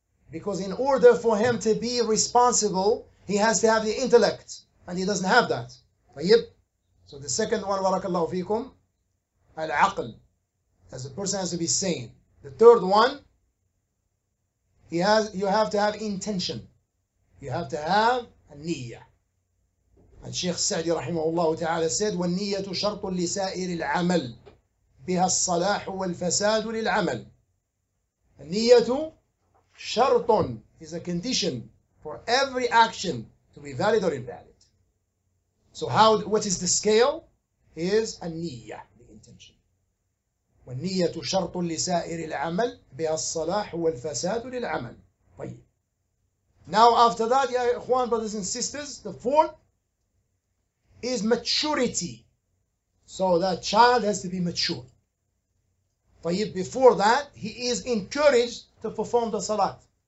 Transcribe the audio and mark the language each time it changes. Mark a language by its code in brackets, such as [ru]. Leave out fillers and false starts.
[en] Because in order for him to be responsible, he has to have the intellect. And he doesn't have that. طيب. So the second one, barakallahu feekum, al-aql. As a person has to be sane. The third one, you have to have intention. You have to have a niyyah. And Shaykh Sa'di rahimahullah ta'ala said, [ar] وَالنِّيَّةُ شَرْطٌ لِسَائِرِ الْعَمَلِ بِهَا الصَّلَاحُ وَالْفَسَادُ لِلْعَمَلِ. النِّيَّةُ شَرْطٌ [en] is a condition for every action to be valid or invalid. So what is the scale? Is a niyyah, the intention. [ar] والنية شرط لسائر العمل بها الصلاح والفساد للعمل. طيب. [en] Now after that, ya ikhwan, brothers and sisters, the fourth is maturity. So that child has to be mature. طيب, before that, he is encouraged to perform the salat.